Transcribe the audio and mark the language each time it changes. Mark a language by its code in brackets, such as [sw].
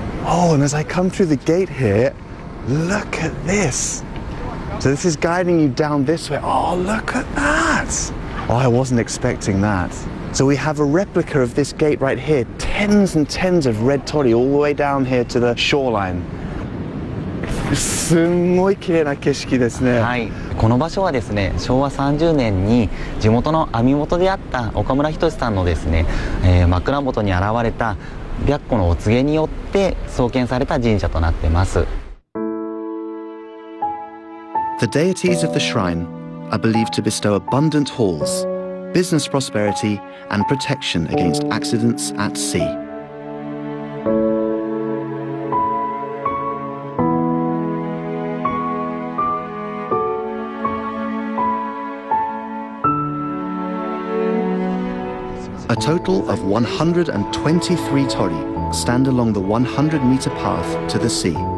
[en] Oh, and as I come through the gate here, look at this. So this is guiding you down this way. Oh, look at that. Oh, I wasn't expecting that. So we have a replica of this gate right here. Tens and tens of red torii all the way down here to the shoreline. [ja] すんごい綺麗な景色ですね。はい。この場所はですね、昭和30年に地元の網元であった岡村仁さんのですね、枕元に現れた白虎のお告げによって創建された神社となってます。 [en] The deities of the shrine are believed to bestow abundant halls, business prosperity, and protection against accidents at sea. A total of 123 torii stand along the 100-meter path to the sea.